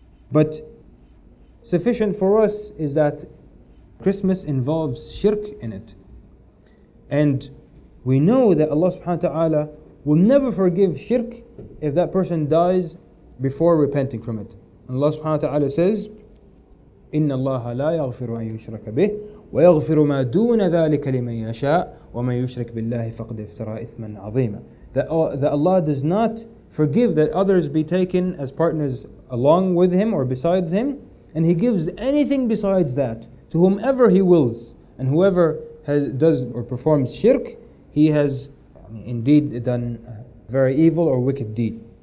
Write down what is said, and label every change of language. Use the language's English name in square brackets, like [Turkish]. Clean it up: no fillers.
[English] But sufficient for us is that Christmas involves shirk in it. And we know that Allah subhanahu wa ta'ala will never forgive shirk if that person dies before repenting from it. And Allah subhanahu wa ta'ala says, [Arabic] إن الله لا يغفر أن يشرك به ويغفر ما دون ذلك لمن يشاء ومن يشرك بالله فقد افترى إثما عظيما. [English] That Allah does not forgive that others be taken as partners along with him or besides him, and he gives anything besides that to whomever he wills, and whoever does or performs shirk, he has indeed done a very evil or wicked deed.